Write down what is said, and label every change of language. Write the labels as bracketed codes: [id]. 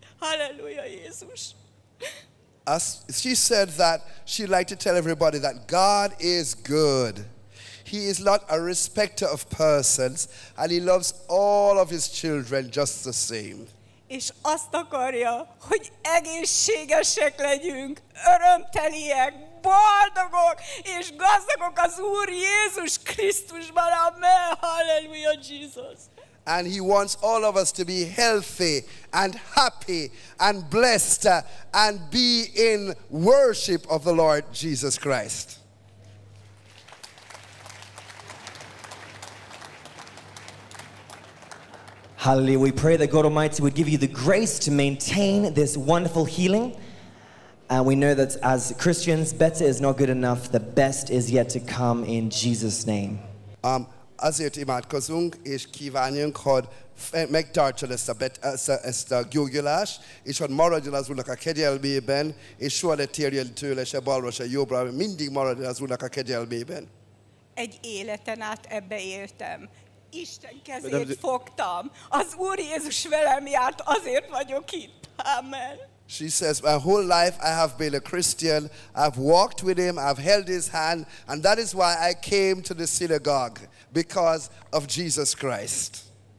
[hu] Halleluja, Jézus! [en] As she said that she liked to tell everybody that God is good. He is not a respecter of persons, and he loves all of his children just the same. [hu] És azt akarja, hogy egészségesek legyünk, örömteliek, boldogok és gazdagok az Úr Jézus Krisztusban. [en] Amen. Hallelujah, Jesus. And he wants all of us to be healthy and happy and blessed and be in worship of the Lord Jesus Christ. Hallelujah. We pray that God Almighty would give you the grace to maintain this wonderful healing. And we know that as Christians, better is not good enough. The best is yet to come in Jesus' name. [hu] Azért imádkozunk, és kívánjunk, hogy megtartsa ezt a gyógyulás, és hogy maradjon az Úrnak a kegyelmében, és soha ne térjen tőle se balra, se jobbra, mindig maradjon az Úrnak a kegyelmében. Egy életen át ebbe éltem. Isten kezét fogtam. Az Úr Jézus velem járt, azért vagyok itt. Amen. [en] She says, my whole life I have been a Christian. I've walked with him, I've held his hand, and that is why I came to the synagogue, because of Jesus Christ.